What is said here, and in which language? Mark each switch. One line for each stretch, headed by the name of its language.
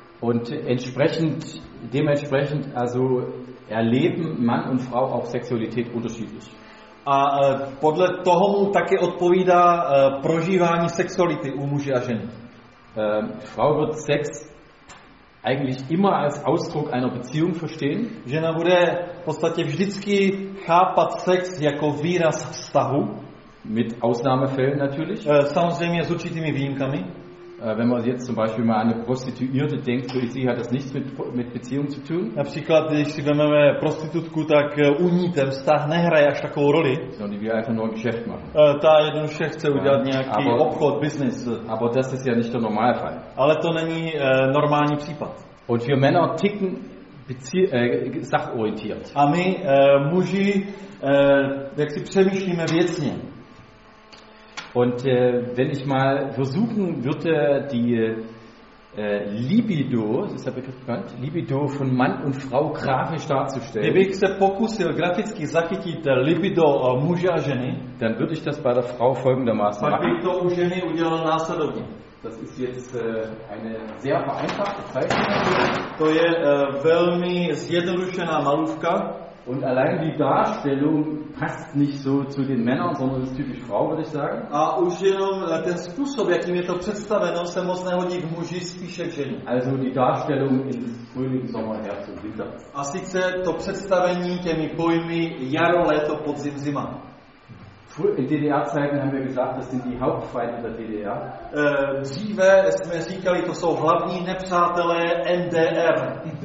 German: Und dementsprechend also erleben Mann und Frau auch Sexualität unterschiedlich.
Czech: A podle toho mu taky odpovídá prožívání sexuality u muže a ženy.
German: Frau wird Sex eigentlich immer als Ausdruck einer Beziehung verstehen.
Czech: Žena bude v podstatě vždycky chápat sex jako výraz vztahu.
German: Mit Ausnahmefällen natürlich.
Czech: Samozřejmě s určitými výjimkami.
German: Wenn man jetzt zum Beispiel mal an eine Prostituierte denkt, so ist sie, hat das nichts mit Beziehung zu tun.
Czech: Například, když si vezmeme prostitutku, tak u ní ten vztah nehraje až takovou roli.
German: Sondern die will einfach nur ein Geschäft machen.
Czech: Ta jednoduše chce udělat nějaký obchod, business.
German: Aber das ist ja nicht der Normalfall.
Czech: Ale to není normální případ.
German: Und wir Männer ticken sachorientiert.
Czech: A my muži, jak si přemýšlíme věcně.
German: Und wenn ich mal versuchen würde, die Libido, das ist der Begriff bekannt, Libido von Mann und Frau grafisch darzustellen.
Czech: Kdybych se pokusil graficky zachytit libido muže a ženy,
German: dann würde ich das bei der Frau folgendermaßen machen.
Czech: Pak bych to u ženy udělal následovně.
German: Das ist jetzt eine sehr vereinfachte Zeichnung.
Czech: To je velmi zjednodušená malůvka.
German: Und allein die Darstellung passt nicht so zu den Männern, sondern ist typisch Frau, würde ich sagen.
Czech: A už jenom ten způsob, jakým je to představeno, se moc nehodí k muži, spíše k ženě.
German: Also die Darstellung ist Frühling, Sommer, Herbst und Winter.
Czech: A sice to představení těmi pojmy jaro, léto, podzim, zima.
German: In DDR-Zeiten haben wir gesagt, das sind die Hauptfeinde der DDR.
Czech: Dříve jsme říkali, to jsou hlavní nepřátelé NDR.